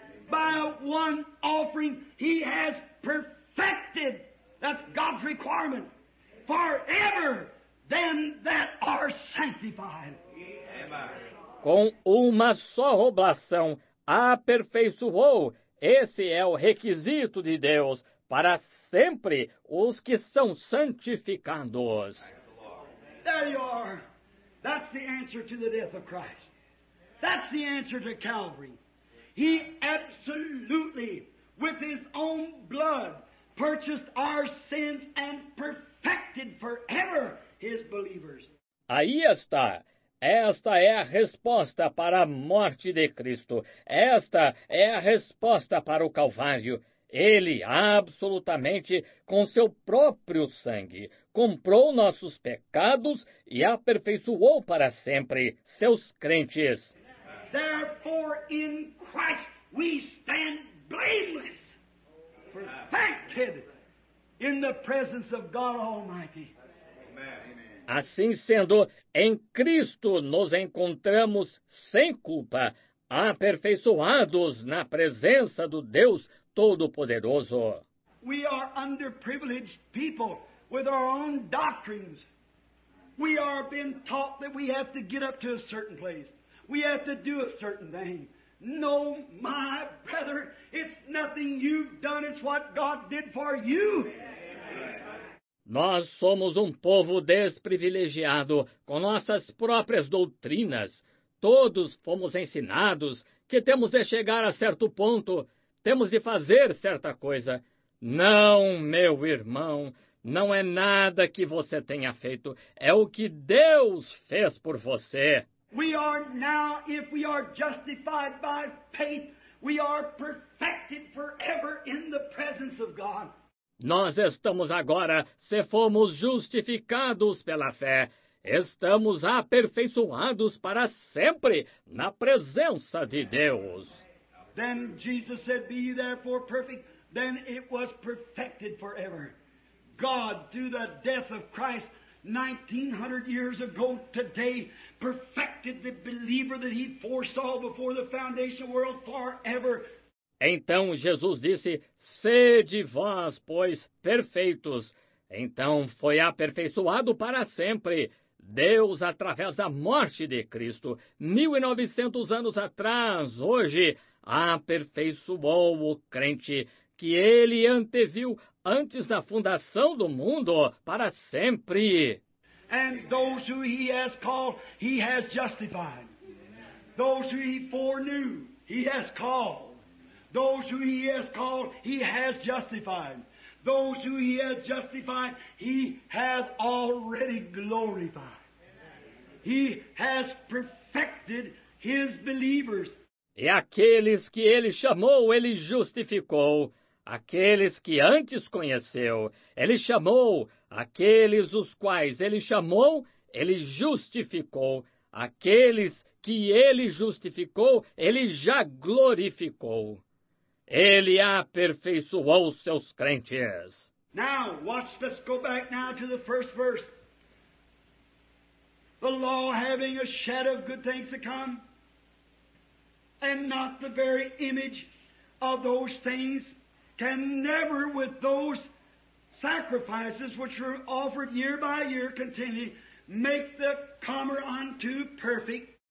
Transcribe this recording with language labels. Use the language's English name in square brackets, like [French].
[English] By one offering, he has perfected, that's God's requirement, forever them that are sanctified. [Portuguese] Com uma só oblação, aperfeiçoou, esse é o requisito de Deus, para sempre os que são santificados. [English] There you are. That's the answer to the death of Christ. That's the answer to Calvary. He absolutely, with his own blood, purchased our sins and perfected forever his believers. [Portuguese] Aí está. Esta é a resposta para a morte de Cristo. Esta é a resposta para o Calvário. Ele, absolutamente, com seu próprio sangue, comprou nossos pecados e aperfeiçoou para sempre seus crentes. [English] Therefore, in Christ we stand blameless, perfected in the presence of God Almighty. [Portuguese] Assim sendo, em Cristo nos encontramos sem culpa, aperfeiçoados na presença do Deus Todo-Poderoso. [English] We are underprivileged people with our own doctrines. We are being taught that we have to get up to a certain place. We have to do a certain thing. No, my brother, it's nothing you've done, it's what God did for you. [Portuguese] Nós somos povo desprivilegiado com nossas próprias doutrinas. Todos fomos ensinados que temos de chegar a certo ponto, temos de fazer certa coisa. Não, meu irmão, não é nada que você tenha feito, é o que Deus fez por você. [English] We are now, if we are justified by faith, we are perfected forever in the presence of God. [Portuguese] Nós estamos agora, se fomos justificados pela fé, estamos aperfeiçoados para sempre na presença de Deus. [English] Then Jesus said, be ye therefore perfect. Then it was perfected forever. God, through the death of Christ 1900 years ago today, perfected the believer that he foresaw before the foundation of the world forever. [Portuguese] Então Jesus disse, sede vós, pois, perfeitos. Então foi aperfeiçoado para sempre Deus através da morte de Cristo. 1900 anos atrás, hoje, aperfeiçoou o crente que ele anteviu antes da fundação do mundo para sempre. [English] And those who he has called, he has justified. Those who he foreknew, he has called. Those who he has called, he has justified. Those who he has justified, he has already glorified. He has perfected his believers. [Portuguese] E aqueles que ele chamou, ele justificou. Aqueles que antes conheceu, ele chamou. Aqueles os quais ele chamou, ele justificou. Aqueles que ele justificou, ele já glorificou. Ele aperfeiçoou os seus crentes. [English] Now, watch, let's go back now to the first verse. The law having a shadow of good things to come, and not the very image of those things, can never with those sacrifices which were offered year by year continually make the comer unto perfect.